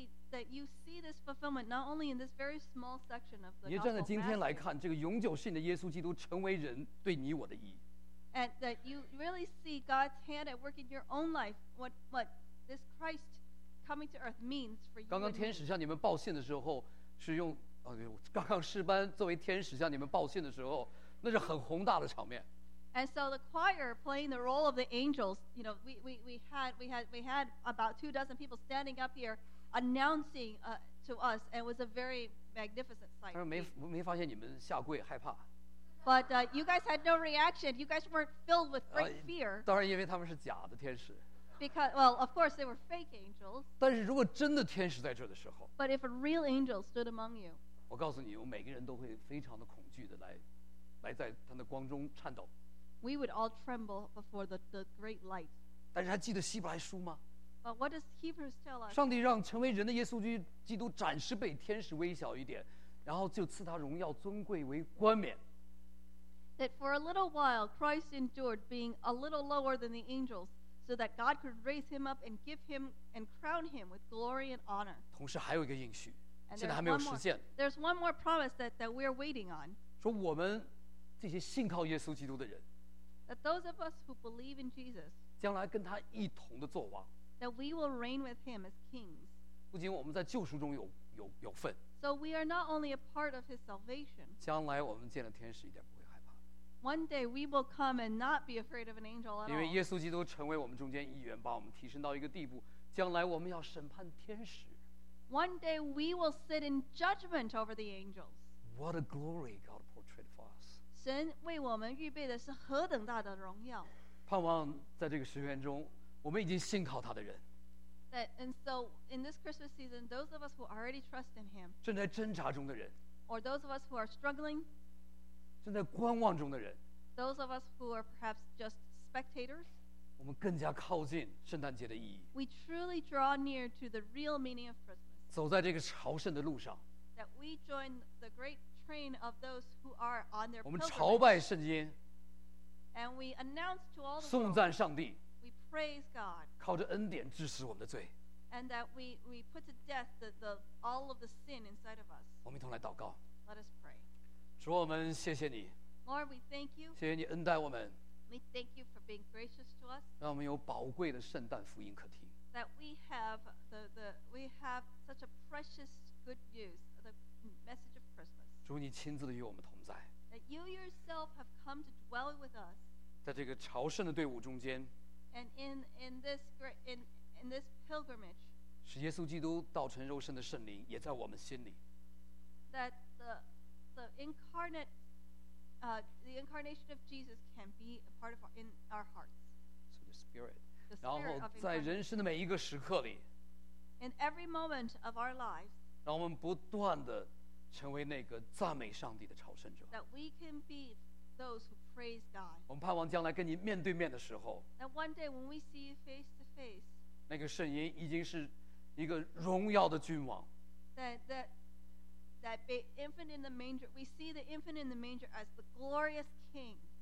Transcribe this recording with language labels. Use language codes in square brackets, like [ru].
[en] that you see this fulfillment not only in this very small section of the gospel [zh] 你站在今天来看这个永久性的耶稣基督成为人对你我的意义 [en] And that you really see God's hand at work in your own life, what this Christ coming to earth means for you. [zh] 刚刚天使向你们报信的时候，是用刚刚诗班作为天使向你们报信的时候，那是很宏大的场面。 [en] And so the choir playing the role of the angels, you know, we had about two dozen people standing up here, announcing to us, and it was a very magnificent sight. [zh] 但是没发现你们下跪害怕。 [en] But you guys had no reaction. You guys weren't filled with great fear. [zh] 当然，因为他们是假的天使。 [en] Because, well, of course, they were fake angels. [zh] 但是如果真的天使在这的时候 [en] ，But if a real angel stood among you, [zh] 我告诉你，我每个人都会非常的恐惧的来在他的光中颤抖。 [en] We would all tremble before the great light. [zh] 但是还记得希伯来书吗 [en] ？But what does Hebrews tell us? [zh] 上帝让成为人的耶稣基督暂时被天使微小一点，然后就赐他荣耀尊贵为冠冕。 [en] That for a little while Christ endured being a little lower than the angels so that God could raise him up and give him and crown him with glory and honor. [zh] 同时还有一个应许 [en] and [zh] 现在还没有实现 [en] There's one more promise that we are waiting on. [zh] 说我们这些信靠耶稣基督的人 [en] That those of us who believe in Jesus [zh] 将来跟他一同的作王 [en] That we will reign with him as kings. [zh] 不仅我们在救赎中有份 [en] So we are not only a part of his salvation. [zh] 将来我们见了天使一点不会 [en] One day we will come and not be afraid of an angel at all. [zh] 因为耶稣基督成为我们中间一员，把我们提升到一个地步，将来我们要审判天使。 [en] One day we will sit in judgment over the angels. What a glory God portrayed for us. [zh] 神为我们预备的是何等大的荣耀。盼望在这个十年中，我们已经信靠他的人。 [en] That, and so in this Christmas season, those of us who already trust in Him, [zh] 正在挣扎中的人， [en] or those of us who are struggling, [zh] 正在观望中的人， [en] those of us who are perhaps just spectators, [zh] 我们更加靠近圣诞节的意义。 [en] We truly draw near to the real meaning of Christmas. [zh] 走在这个朝圣的路上。 [en] That we join the great train of those who are on their pilgrimage. [zh] 我们朝拜圣经。 [en] And we announce to all the [zh] world. 颂赞上帝。 [en] We praise God. [zh] 靠着恩典致死我们的罪。 [en] And that we put to death the all of the sin inside of us. [zh] 我们一同来祷告。 [en] Let us pray. [zh] 主，我们谢谢你。 [en] Lord, we thank you. [zh] 谢谢你恩待我们。 [en] We thank you for being gracious to us. [zh] 让我们有宝贵的圣诞福音可听。 [en] That we have such a precious good news, the message of Christmas. [zh] 主，你亲自的与我们同在。 [en] That you yourself have come to dwell with us. [zh] 在这个朝圣的队伍中间。 [en] And in this pilgrimage. [zh] 使耶稣基督道成肉身的圣灵也在我们心里。 [en] That the incarnate the incarnation of Jesus can be a part of in our hearts. So the Spirit. The Spirit of incarnation. In every moment of our lives. [zh] 让我们不断地成为那个赞美上帝的朝圣者。 [en] That we can be those who praise God. [zh] 我们盼望将来跟你面对面的时候。 [en] That one day when we see you face to face. [zh] 那个圣婴已经是一个荣耀的君王。 [en] That infant in the manger, we see the infant in the manger as the glorious king.